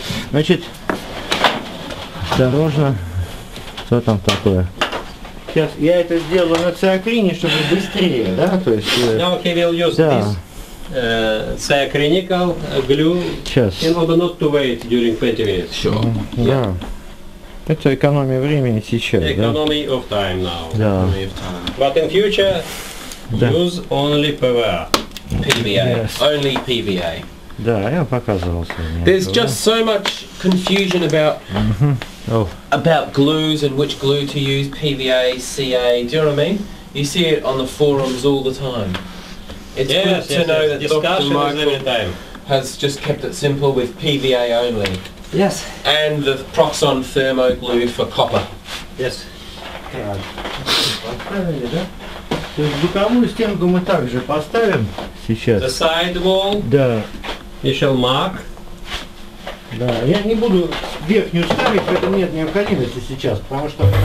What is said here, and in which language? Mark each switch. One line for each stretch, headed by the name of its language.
Russian: Значит, осторожно. Что там такое? Сейчас я это сделаю на циакрине, чтобы быстрее, да? То есть.
English: Now he will use this циакринical glue in order not to wait during 20 minutes. Sure.
Russian: Это экономия времени сейчас.
English: Economy
Russian: да?
English: of time now.
Russian: Да.
English: But in future. Да. Use only PVA. PVA. Yes. Only PVA.
Russian: Да, я показывал сегодня.
English: There's just so much confusion about about glues and which glue to use, PVA, CA. Do you know what I mean? You see it on the forums all the time. It's good to know that discussion Michael has just kept it simple with PVA only. Yes. And the Proxon thermo glue for copper. Yes.
Russian: То есть боковую стенку мы также поставим сейчас.
English: The side wall.
Russian: Да.
English: You shall mark.
Russian: Да, я не буду верхнюю ставить, это нет необходимости сейчас, потому что...